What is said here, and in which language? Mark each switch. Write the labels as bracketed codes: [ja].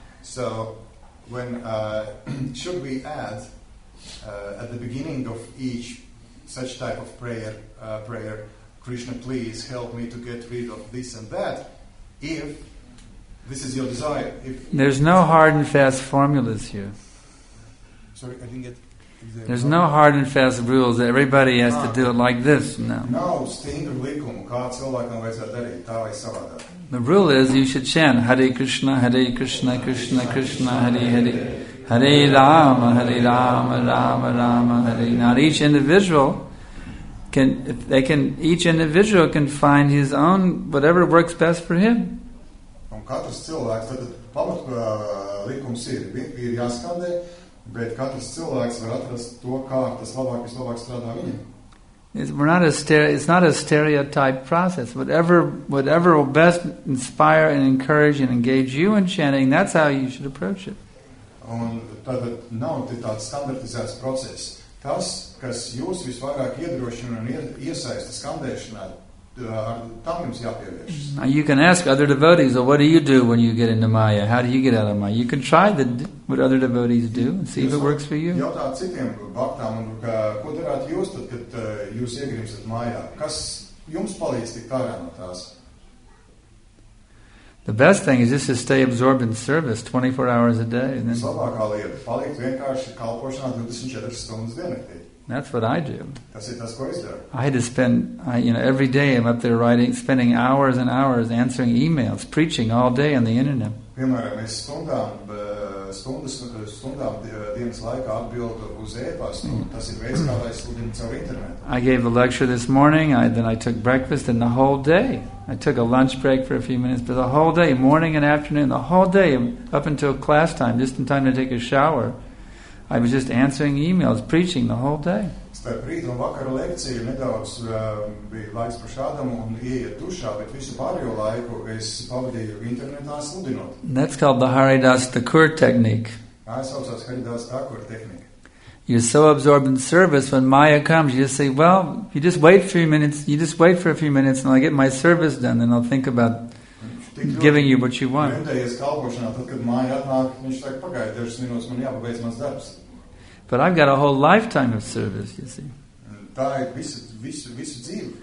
[en] So, when should we add at the beginning of each such type of prayer, Krishna, please help me to get rid of this and that, if this is your desire? If there's no hard and fast formulas here. Sorry, I didn't get. There's no hard and fast rules that everybody has to do it like this. No. [lv] No, stingri likumi, kā cilvēkam vajadzētu darīt, tā vai savādāk. [en] The rule is you should chant Hare Krishna, Hare Krishna, Krishna Krishna, Hare Hare, Hare Rama, Hare Rama, Rama Rama, Hare. Now each individual can, if they can, each individual can find his own, whatever works best for him. [lv] Un katrs cilvēks, tad pamat likums ir jāskandē, bet katrs cilvēks var atrast to, kā tas labāk vislabāk strādā viņam. [en] It's not a stereotype process. Whatever will best inspire and encourage and engage you in chanting, that's how you should approach it. [lv] Un tātad nav tāds standartizēts process. Tas, kas jūs visvairāk iedrošina un iesaista skandēšanā, tam jums jāpievēršas. [en] Now you can ask other devotees, well, what do you do when you get into Maya? How do you get out of Maya? You can try what other devotees do and see if it works for you. [lv] Jautāt citiem baktām, ko darāt jūs, tad, kad jūs iegrimsat Maya? Kas jums palīdz tik tā no tās? [en] The best thing is just to stay absorbed in service 24 hours a day. And then [lv] labākā lieta, palikt vienkārši kalpošanā 24 stundas dienaktī. [en] That's what I do. [lv] Tas ir tas, ko es daru. [en] I had to spend, every day I'm up there writing, spending hours and hours answering emails, preaching all day on the internet. [lv] Piemēram, es stundām dienas laikā atbildu uz e-pastu. Tas ir veids, kā lai es sludinu caur internetu. [en] I gave a lecture this morning, then I took breakfast, and the whole day, I took a lunch break for a few minutes, but the whole day, morning and afternoon, the whole day, up until class time, just in time to take a shower, I was just answering emails, preaching the whole day. [lv] Starp rītu un vakaru lekciju nedaudz bija laiks par šādam un ieiet dušā, bet visu pārējo laiku es pavadīju internetā sludinot. [en] That's called the Haridas Thakur technique. [lv] Tā saucās Haridas Thakur technique. [en] You're so absorbed in service, when Maya comes, you just say, well, you just wait for a few minutes and I'll get my service done, then I'll think about giving you what you want. But I've got a whole lifetime of service, you see.